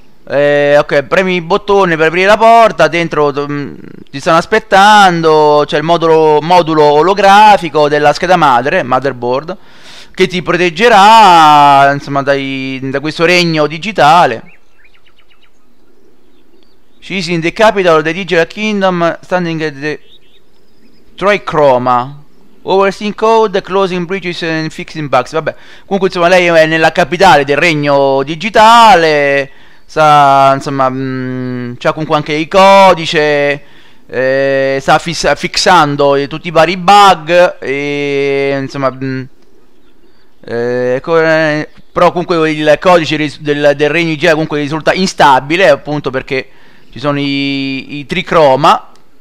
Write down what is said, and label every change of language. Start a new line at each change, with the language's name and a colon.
Italian: Ok, premi il bottone per aprire la porta. Dentro ti stanno aspettando. C'è il modulo olografico della scheda madre, motherboard, che ti proteggerà, insomma, da questo regno digitale.
English: She's in the capital of the Digital Kingdom, standing at the Trichroma, overseeing code, closing bridges and fixing bugs.
Italian: Vabbè, comunque, insomma, lei è nella capitale del regno digitale. Sa, insomma, c'ha comunque anche i codice, sta fissando tutti i vari bug, e insomma, però comunque il codice del regno di Gia comunque risulta instabile, appunto, perché ci sono i tricroma.